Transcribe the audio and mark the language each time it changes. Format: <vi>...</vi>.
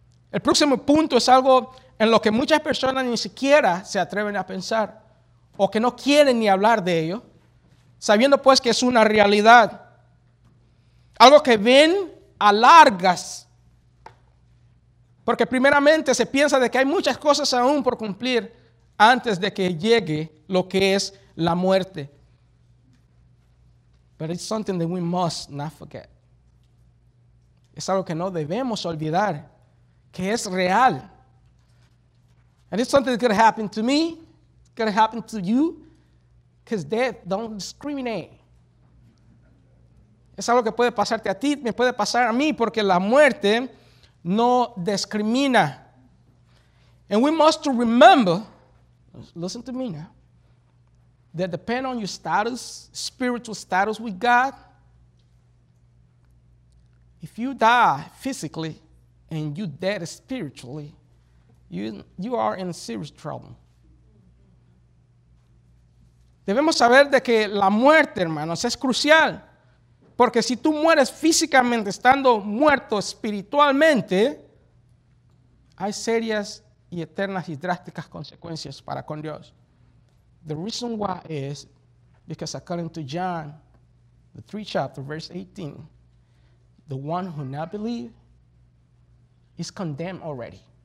<es>El próximo punto es algo en lo que muchas personas ni siquiera se atreven a pensar o que no quieren ni hablar de ello, sabiendo pues que es una realidad, algo que ven a largas, porque primeramente se piensa de que hay muchas cosas aún por cumplir antes de que llegue lo que es la muerte.</es> <en>But it's something that we must not forget.</en> <es>Es algo que no debemos olvidar, que es real.</es> <en>And it's something that could happen to me, could happen to you, because death don't discriminate.</en> <es>Es algo que puede pasarte a ti, me puede pasar a mí, porque la muerte no discrimina.</es> <en>And we must remember, listen to me now, that depending on your status, spiritual status with God, if you die physically and you're dead spiritually, you are in serious trouble.</en> <es>Debemos saber de que la muerte, hermanos, es crucial. Porque si tú mueres físicamente estando muerto espiritualmente, hay serias y eternas y drásticas consecuencias para con Dios.</es> <en>The reason why is because according to John, the 3rd chapter, verse 18, the one who not believe is condemned already.</en>